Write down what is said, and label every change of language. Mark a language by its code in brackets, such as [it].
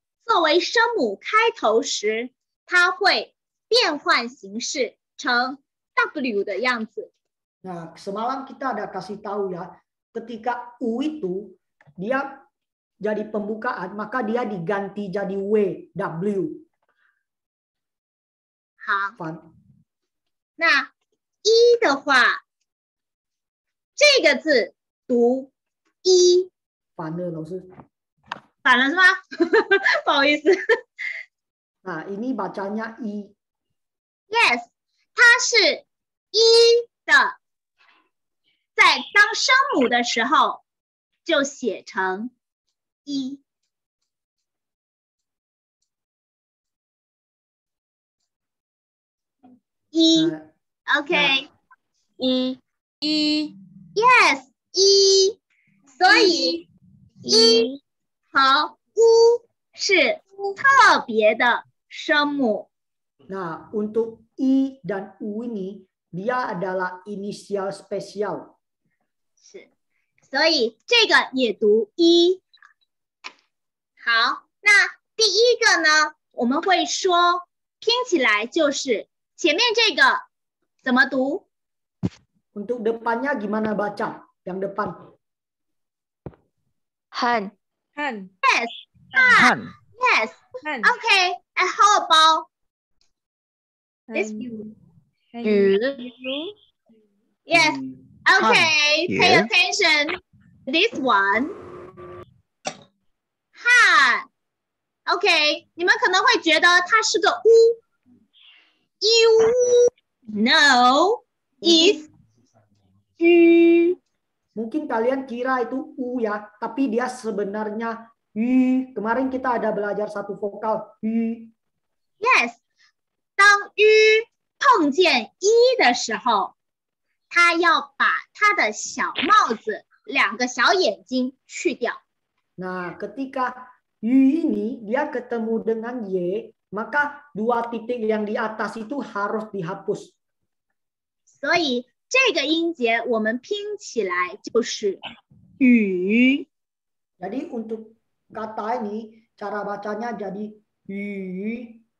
[zh] 昨天我们说,当u作为声母开头时, 它会变换形式成w的样子。 [id] Nah, semalam kita ada kasih tahu ya, ketika u itu, dia jadi pembukaan, maka dia diganti jadi w, w. [zh] 好,那一的话, 这个字读一，反了，老师，反了是吗？不好意思。啊，ah, [id] ini bacanya [zh] i。Yes， 它是一的，在当声母的时候就写成一。一，OK，一，一。 Yes, 一，所以一和u是特别的声母。 [id] Nah, untuk i dan u ini dia adalah inisial spesial. [zh] 是，所以这个也读一。好，那第一个呢，我们会说，听起来就是前面这个怎么读？ [id] Untuk depannya gimana baca? Yang depan. [zh] Han. Han. [en] Yes. Han. Yes. [zh] Han. [en] Okay. And how about this you? Yes. Okay. Pay attention. This one. Han. Okay. [zh] 你们可能会觉得它是个u. [en] You know is 鱼, [id] mungkin kalian kira itu u ya, tapi dia sebenarnya y. Kemarin kita ada belajar satu vokal y. [zh] Yes, 当 y 碰见 i 的时候，他要把他的小帽子两个小眼睛去掉。 [id] Nah, ketika y ini dia ketemu dengan y, maka dua titik yang di atas itu harus dihapus. [zh] 所以 这个音节我们拼起来就是雨. [id] Jadi untuk kata ini cara bacanya jadi 雨.